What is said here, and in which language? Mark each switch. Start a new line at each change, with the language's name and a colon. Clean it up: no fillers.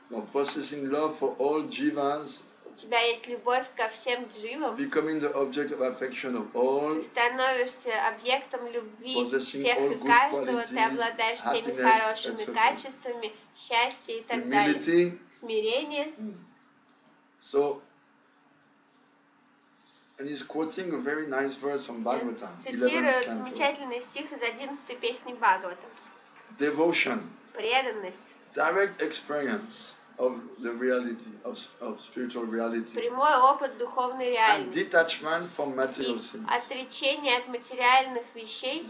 English: No, possessing love for all jivas.
Russian: У тебя есть любовь ко всем дживам.
English: Becoming the object of affection of all.
Russian: Ты становишься объектом любви всех и каждого. Ты обладаешь всеми хорошими качествами, счастье и так
English: humility.
Russian: Далее. Смирение.
English: So, and he's quoting a very nice verse from Bhagavatam.
Russian: Цитирует замечательный стих из 11-й песни Бхагаватам.
English: Devotion.
Russian: Преданность.
English: Direct experience. Of the reality of spiritual reality.
Russian: Прямой опыт духовной реальности.
English: And detachment from material things.
Russian: Отречение от материальных вещей.